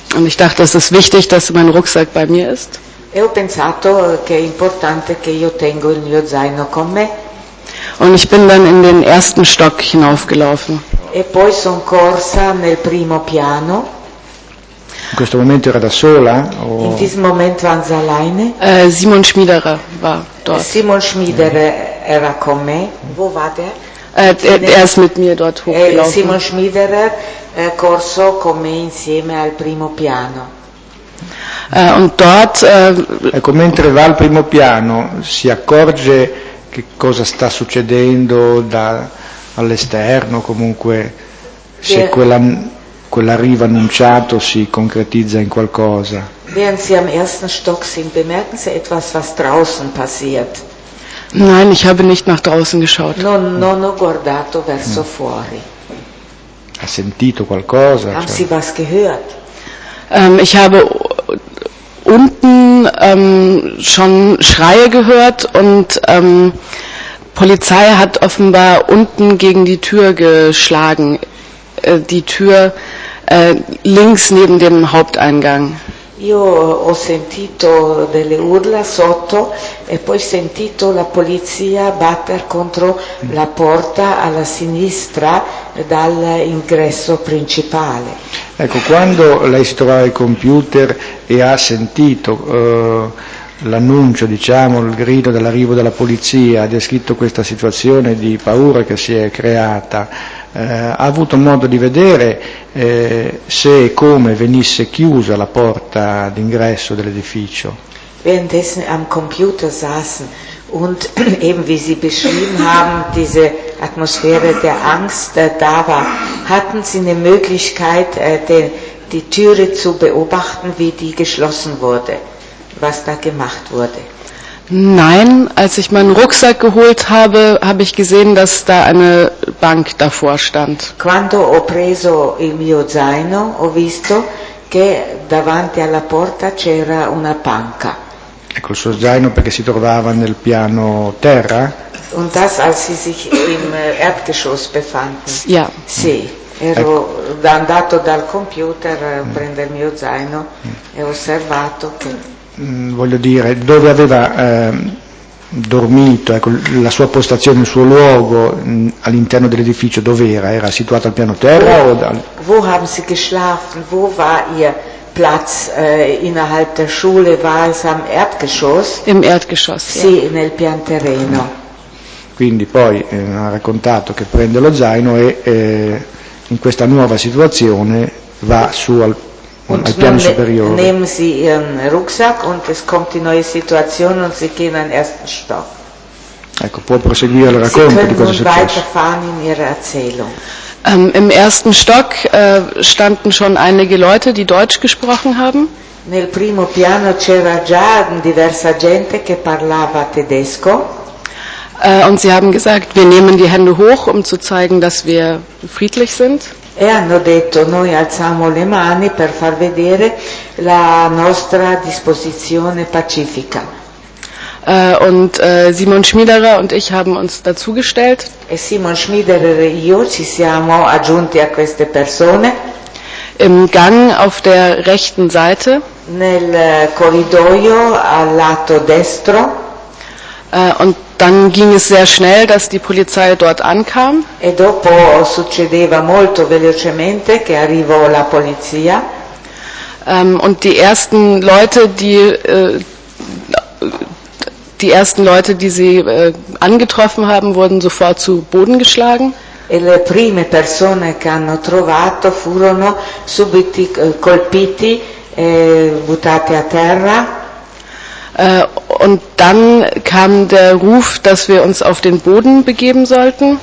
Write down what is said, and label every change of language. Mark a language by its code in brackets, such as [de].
[de] Und ich dachte, es ist wichtig, dass mein Rucksack bei mir ist. [it] E ho pensato che è importante che io tengo il mio zaino con me. [de] Und ich bin dann in den ersten Stock hinaufgelaufen. [it] E poi son corsa nel primo piano. In questo momento era da sola? O... [de] In diesem Moment waren sie alleine. Simon Schmiederer war dort. [it] Simon Schmiederer era con me. [de] Wo war der? Er ist mit mir dort hochgelaufen. [it] Simon Schmiederer corso con me insieme al primo piano. [de] Und dort, [it] ecco, mentre va al primo piano, si accorge che cosa sta succedendo all'esterno, comunque se quell'arrivo annunciato si concretizza in qualcosa. [de] Während Sie am ersten Stock sind, bemerken Sie etwas, was draußen passiert? Nein, ich habe nicht nach draußen geschaut. [it] Non ho guardato verso fuori. Ha sentito qualcosa? [de] Haben Sie was gehört? Ich habe unten schon Schreie gehört und Polizei hat offenbar unten gegen die Tür geschlagen. Die Tür links neben dem Haupteingang. [it] Io ho sentito delle urla sotto e poi sentito la polizia batter contro la porta alla sinistra dall'ingresso principale. Ecco, quando lei si trovava al computer e ha sentito l'annuncio, diciamo, il grido dell'arrivo della polizia, ha descritto questa situazione di paura che si è creata, ha avuto modo di vedere se e come venisse chiusa la porta d'ingresso dell'edificio? [de] Währenddessen am Computer saßen und eben wie Sie beschrieben haben, diese Atmosphäre der Angst da war, hatten Sie eine Möglichkeit, die Türe zu beobachten, wie die geschlossen wurde, was da gemacht wurde? Nein, als ich meinen Rucksack geholt habe, habe ich gesehen, dass da eine Bank davor stand. [it] Quando ho preso il mio zaino, ho visto che davanti alla porta c'era una panca. Ecco, il suo zaino perché si trovava nel piano terra? [de] Und das, als sie sich im Erdgeschoss befanden. Ja. [it] Sì, ero andato dal computer a prendere il mio zaino e ho osservato che... Voglio dire, dove aveva dormito, ecco, la sua postazione, il suo luogo all'interno dell'edificio, dov'era? Era situato al piano terra [de] wo, [it] o dal... [de] Wo haben Sie geschlafen? Wo war Ihr Platz innerhalb der Schule? War es am Erdgeschoss? Im Erdgeschoss, [it] sì, nel pian terreno. Quindi poi ha raccontato che prende lo zaino e in questa nuova situazione va su al [de] und [it] al piano superiore. [de] Nehmen Sie Ihren Rucksack und es kommt die neue Situation und Sie gehen in den ersten Stock. [it] Ecco, può proseguire il racconto di cosa è successo. [de] Sie können weiterfahren in Ihre Erzählung. Im ersten Stock standen schon einige Leute, die Deutsch gesprochen haben. [it] Nel primo piano c'era già diversa gente che parlava tedesco. [de] Und sie haben gesagt, wir nehmen die Hände hoch, um zu zeigen, dass wir friedlich sind. [it] E hanno detto, noi alziamo le mani per far vedere la nostra disposizione pacifica. [de] Und Simon Schmiederer und ich haben uns dazugestellt. [it] E Simon Schmiederer e io ci siamo aggiunti a queste persone. [de] Im Gang auf der rechten Seite. [it] Nel corridoio al lato destro. [de] Und dann ging es sehr schnell, dass die Polizei dort ankam. [it] E dopo succedeva molto velocemente che arrivò la polizia. [de] Und die ersten Leute, die sie angetroffen haben, wurden sofort zu Boden geschlagen. [it] E le prime persone che hanno trovato furono subito colpiti e buttati a terra. [de] Und dann kam der Ruf, dass wir uns auf den Boden begeben sollten.